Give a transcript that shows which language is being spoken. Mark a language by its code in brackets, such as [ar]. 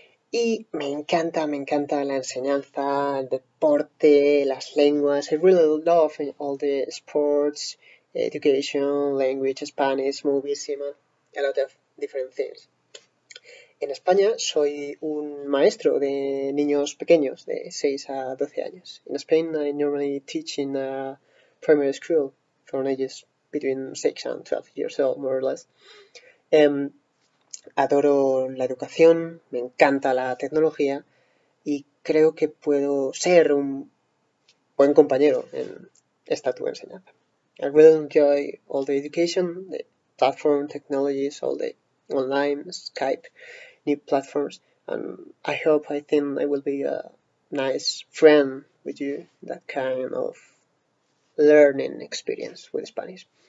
[es] Y me encanta la enseñanza, el deporte, las lenguas. [en] I really love all the sports, education, language, Spanish, movies, a lot of different things. [es] En España soy un maestro de niños pequeños de 6 a 12 años. [en] In Spain I normally teach in a primary school for ages between 6 and 12 years old, more or less. [es] Adoro la educación, me encanta la tecnología y creo que puedo ser un buen compañero en esta tu enseñanza. [en] I really enjoy all the education, the platform technologies, all the online, Skype, new platforms, and I hope, I think I will be a nice friend with you, that kind of learning experience with Spanish.